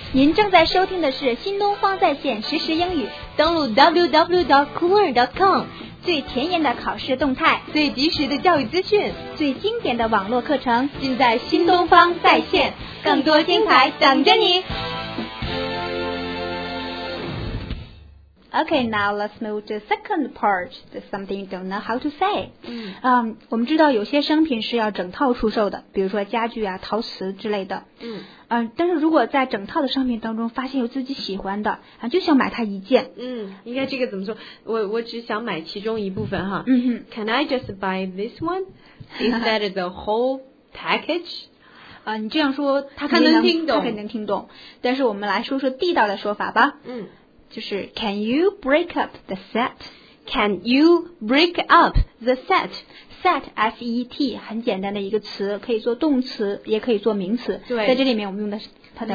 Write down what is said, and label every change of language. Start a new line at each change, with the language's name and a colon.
Chinese: 您正在收听的是新东方在线实时英语，登录 www.cooler.com，最前沿的考试动态，最及时的教育资讯，最经典的网络课程，尽在新东方在线，更多精彩等着你。
English: Okay, now let's move to the second part. There's something you don't know how to say.
Chinese: 我们知道有些商品是要整套出售的，比如说家具啊、陶瓷之类的。但是如果在整套的商品当中发现有自己喜欢的，就想买它一件。嗯，应该这个怎么说？我只想买其中一部分哈。嗯哼。
English: Can I just buy this one instead of the whole package?
Chinese: 你这样说他肯定能听懂。但是我们来说说地道的说法吧。嗯。
English: 就是 Can you break up the set? Can you break up the set?
Chinese: Set, S-E-T, 很简单的一个词，可以做动词，也可以做名词。对，在这里面我们用的是它的